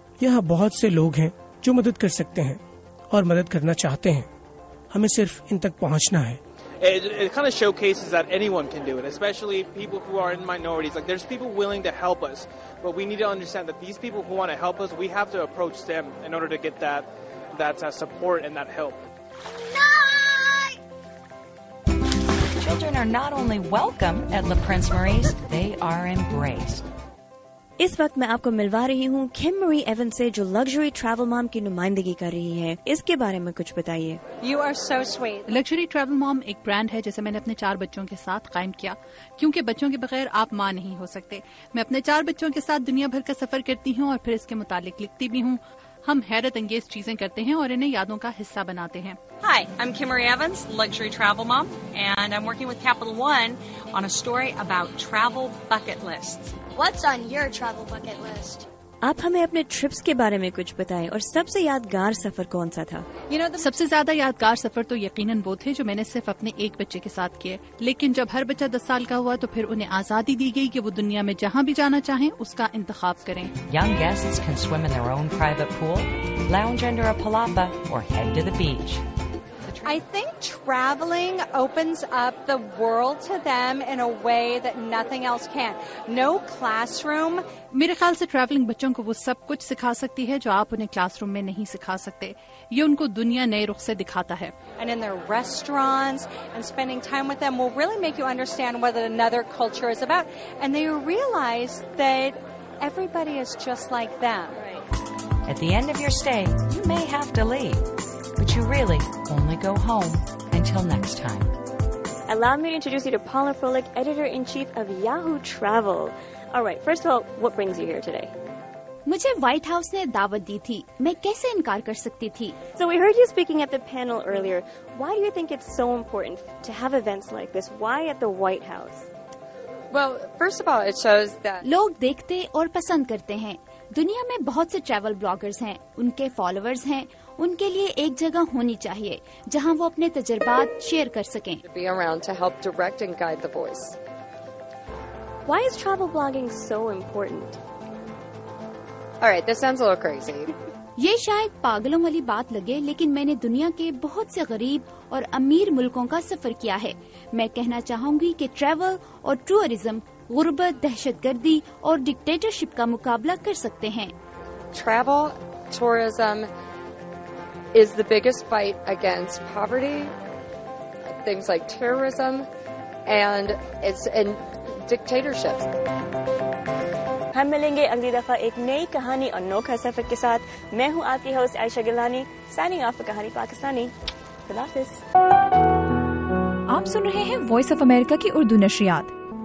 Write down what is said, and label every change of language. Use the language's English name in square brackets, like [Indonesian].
[Urdu] Yahan bahut se log hain جو مدد کر سکتے ہیں اور مدد کرنا چاہتے ہیں ہمیں صرف ان تک پہنچنا ہے [English] it kind of showcases that anyone can do it especially people who are in minorities like there's people willing to help us but we need to understand that these people who want to help us we have to approach them in order to get that support and that help children are not only welcome at Le Prince Maurice they are embraced [Urdu] اس وقت میں آپ کو ملوا رہی ہوں کم مری even سے جو luxury travel مام کی نمائندگی کر رہی ہے اس کے بارے میں کچھ بتائیے [English] you are so sweet [Urdu] luxury travel مام ایک برانڈ ہے جسے میں نے اپنے 4 بچوں کے ساتھ قائم کیا کیونکہ بچوں کے بغیر آپ ماں نہیں ہو سکتے میں اپنے 4 بچوں کے ساتھ دنیا بھر کا سفر کرتی ہوں اور پھر اس کے متعلق لکھتی بھی ہوں ہم حیرت انگیز چیزیں کرتے ہیں اور انہیں یادوں کا حصہ بناتے ہیں. [English] Hi, I'm Kimberly Evans, luxury travel mom, and I'm working with Capital One on a story about travel bucket lists. What's on your travel bucket list? [Urdu] آپ ہمیں اپنے ٹرپس کے بارے میں کچھ بتائیں اور سب سے یادگار سفر کون سا تھا؟ سب سے زیادہ یادگار سفر تو یقیناً وہ تھے جو میں نے صرف اپنے ایک بچے کے ساتھ کیے, لیکن جب ہر بچہ 10 سال کا ہوا تو پھر انہیں آزادی دی گئی کہ وہ دنیا میں جہاں بھی جانا چاہیں اس کا انتخاب کریں. [English] Young guests can swim in their own private pool, lounge under a palapa, or head to the beach. I think traveling opens up the world to them in a way that nothing else can. No classroom. [Urdu] میرے خیال سے travelling بچوں کو وہ سب کچھ سکھا سکتی ہے جو آپ انہیں کلاس روم میں نہیں سکھا سکتے. یہ ان کو دنیا نئے رخ سے دکھاتا ہے. [English] And in their restaurants and spending time with them will really make you understand what another culture is about. And they realize that everybody is just like them. At the end of your stay, you may have to leave. But you really only go home until next time. Allow me to introduce you to Paula Froelich, Editor-in-Chief of Yahoo Travel. All right, first of all, what brings you here today? [Urdu] مجھے white house نے دعوت دی تھی, میں کیسے انکار کر سکتی تھی؟ [English] So we heard you speaking at the panel earlier. Why do you think it's so important to have events like this? Why at the White House? Well, first of all, it shows that... [Urdu] لوگ دیکھتے اور پسند کرتے ہیں. دنیا میں بہت سے ٹریول بلاگرز ہیں, ان کے فالوورز ہیں. ان کے لیے ایک جگہ ہونی چاہیے جہاں وہ اپنے تجربات شیئر کر سکیں. [English] To be around to help direct and guide the voice. Why is travel blogging so important? All right, this sounds a little crazy. [Urdu] یہ شاید پاگلوں والی بات لگے, لیکن میں نے دنیا کے بہت سے غریب اور امیر ملکوں کا سفر کیا ہے. میں کہنا چاہوں گی کہ ٹریول اور ٹورزم غربت, دہشت گردی اور ڈکٹیٹرشپ کا مقابلہ کر سکتے ہیں. [English] Travel, tourism is the biggest fight against poverty, things like terrorism, and it's in dictatorships. [Urdu] ہم ملیں گے اگلی دفعہ ایک نئی کہانی اور نوکھا سفر کے ساتھ. میں ہوں آپ کی ہوسٹ عائشہ گیلانی, سائننگ آف کہانی پاکستانی. خدا حافظ. آپ سن رہے ہیں وائس آف امریکہ کی اردو نشریات.